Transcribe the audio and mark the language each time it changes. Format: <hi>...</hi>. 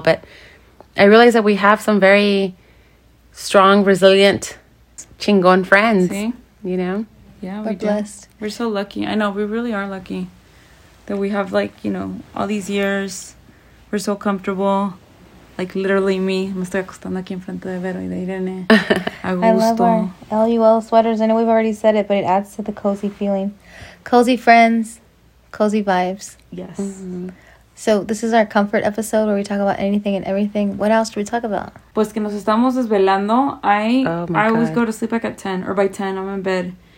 <en>But I realize that we have some very strong, resilient. Chingon friends. See? You know? Yeah, we're blessed. We're so lucky. I know, we really are lucky that we have, like, you know, all these years. We're so comfortable. Like, literally me.</en> <es>Me estoy acostando aquí en frente de Vero y de Irene. A gusto.</es> <en>I love our LUL sweaters. I know we've already said it, but it adds to the cozy feeling. Cozy friends, cozy vibes. Yes. Mm-hmm. So this is our comfort episode where we talk about anything and everything. What else do we talk about?</en> <es>Pues que nos estamos desvelando.</es> <en>I always go to sleep like at 10 or by 10. I'm in bed.</en>